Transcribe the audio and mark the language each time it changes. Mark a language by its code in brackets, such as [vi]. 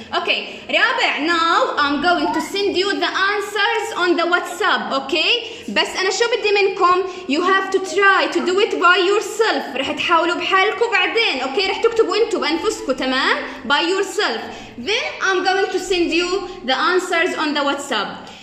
[en] Okay, Rabia, now I'm going to send you the answers on the WhatsApp. [ar] Okay, بس أنا شو بدي منكم? [en] You have to try to do it by yourself. [ar] رح تحاولوا بحالكم بعدين. Okay, رح تكتبوا أنتوا بأنفسكم تمام? [en] By yourself. Then I'm going to send you the answers on the WhatsApp.